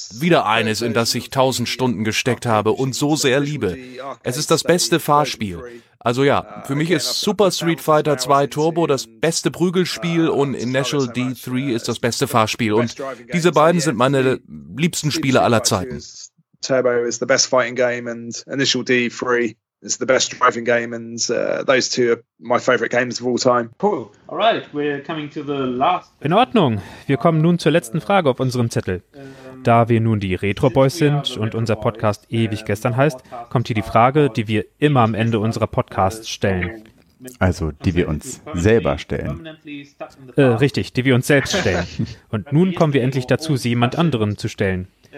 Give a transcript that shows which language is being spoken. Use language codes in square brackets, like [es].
[de] Wieder eines, in das ich 1000 Stunden gesteckt habe und so sehr liebe. Es ist das beste Fahrspiel. Also ja, für mich ist Super Street Fighter 2 Turbo das beste Prügelspiel und Inertial D 3 ist das beste Fahrspiel. Und diese beiden sind meine liebsten Spiele aller Zeiten. [en] Turbo is the best fighting game and Inertial D 3. It's the best driving game, and those two are my favorite games of all time. Cool. All right, we're coming to the last. [de] In Ordnung. Wir kommen nun zur letzten Frage auf unserem Zettel. Da wir nun die Retro Boys sind und unser Podcast ewig gestern heißt, kommt hier die Frage, die wir immer am Ende unserer Podcasts stellen. Also, die wir uns selber stellen. Richtig, die wir uns selbst stellen. Und nun kommen wir endlich dazu, sie jemand anderem zu stellen.